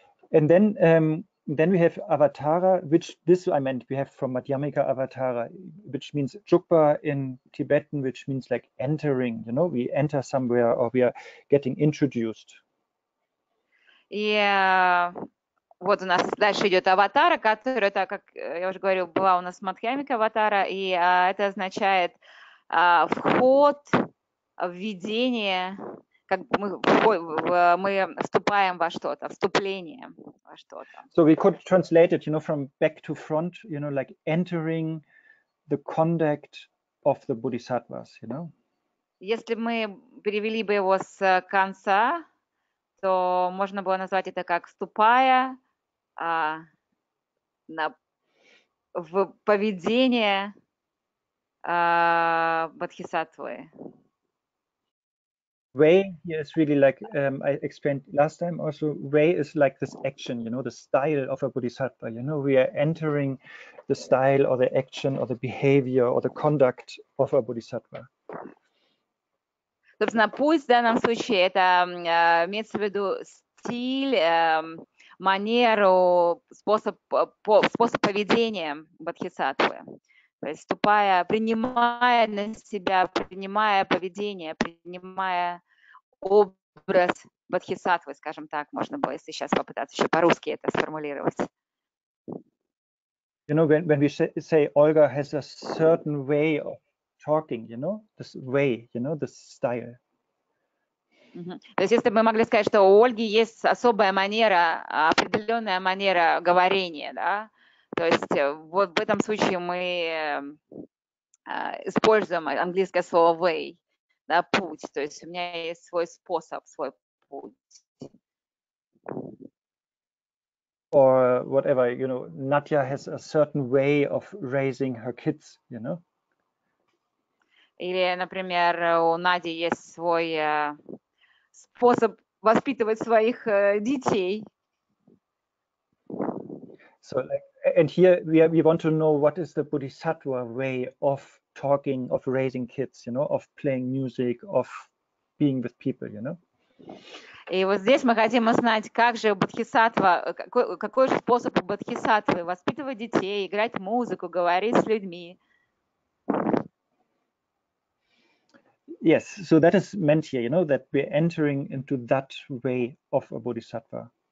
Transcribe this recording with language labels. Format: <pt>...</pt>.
<en>And then we have Avatara, which this I meant we have from Madhyamika Avatara, which means Jukpa in Tibetan, which means like entering, you know, we enter somewhere or we are getting introduced.</en> <ru>Yeah, вот у нас дальше идет Аватара, которая, так как я уже говорил, была у нас Мадхьямика Аватара, и это означает вход, введение. Как мы вступаем во что-то, вступление во что-то.</ru> <en>So we could translate it, you know, from back to front, you know, like entering the conduct of the bodhisattvas, you know.</en> <ru>Если мы перевели бы его с конца, то можно было назвать это как вступая в поведение бодхисаттвы.</ru> <en>Way is really like I explained last time also, way is like this action, you know, the style of a bodhisattva, you know, we are entering the style or the action or the behavior or the conduct of a bodhisattva.</en> <ru>Собственно, путь в данном случае это имеется в виду стиль, манеру, способ поведения бодхисаттвы. То есть вступая, принимая на себя, принимая поведение, принимая образ бодхисаттвы, скажем так, можно было, если сейчас попытаться еще по-русски это сформулировать.</ru> <en>You know, when we say Olga has a certain way of talking, you know, this way, you know, this style.</en> <ru>То есть если бы мы могли сказать, что у Ольги есть особая манера, определенная манера говорения, да, то есть вот в этом случае мы используем английское слово way. Да, путь, то есть у меня есть свой способ, свой путь.</ru> <en>Or whatever, you know, Natya has a certain way of raising her kids, you know.</en> <ru>Или, например, у Нади есть свой способ воспитывать своих детей.</ru> <en>So, like, and here we want to know what is the bodhisattva way of talking, of raising kids, you know, of playing music, of being with people, you know.</en> <ru>И вот здесь мы хотим узнать, как же бодхисаттва, какой же способ бодхисаттвы воспитывать детей, играть музыку, говорить с людьми.</ru> <en>Yes, so that is meant here, you know, that we're entering into that way of a bodhisattva.</en>